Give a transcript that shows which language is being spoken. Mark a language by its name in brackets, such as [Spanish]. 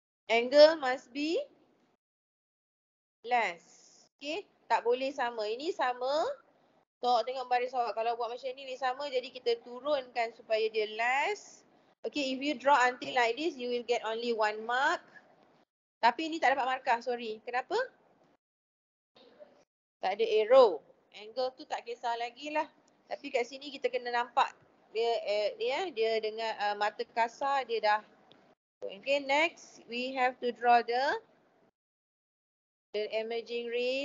[English] Angle must be less. [Malay] Okay. Tak boleh sama. Ini sama. Tengok tengok baris awak. Kalau buat macam ni, ni sama. Jadi kita turunkan supaya dia less. Okay. [English] If you draw until like this, you will get only one mark. [Malay] Tapi ini tak dapat markah. Sorry. Kenapa? Tak ada arrow. Angle tu tak kisah lagi lah. Tapi kat sini kita kena nampak. Dia dengan mata kasar dia dah. [English] Okay, next we have to draw the emerging ray.